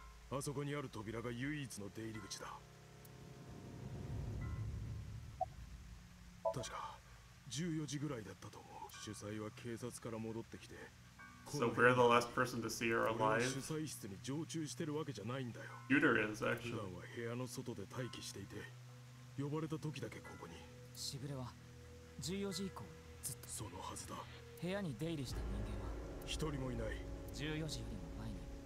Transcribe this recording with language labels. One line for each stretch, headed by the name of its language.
Japanese: あそこにある扉が唯一の出入り口だ。確か14時ぐらいだったと思う。主催は警察から戻ってきて。
English: So we're the last person to see her alive.
Japanese: 主催室に常駐してるわけじゃないんだよ。
English: Uter is actually.
Japanese: 普段は部屋の外で待機していて、呼ばれた時だけここに。しぐれは14時以降ずっと。そのはずだ。部屋に出入りした人間は一人もいない。 14時よりも前に。